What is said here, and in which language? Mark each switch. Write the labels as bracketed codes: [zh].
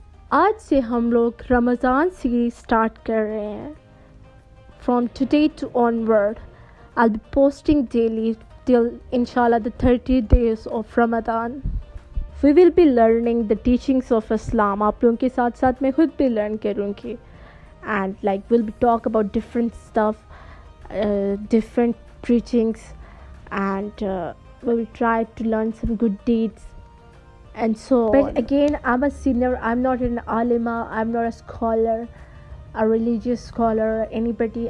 [hi] Aaj se hum log Ramadan series start kar rahe hain. [en] From today to onward, I'll be posting daily till inshallah the 30 days of Ramadan. We will be learning the teachings of Islam. [hi] आप लोगों के साथ साथ मैं खुद भी learn करूँगी. [en] And like we'll be talk about different stuff, different preachings, and we will try to learn some good deeds and so on. But again, I'm a sinner. I'm not an alima. I'm not a scholar, a religious scholar, anybody.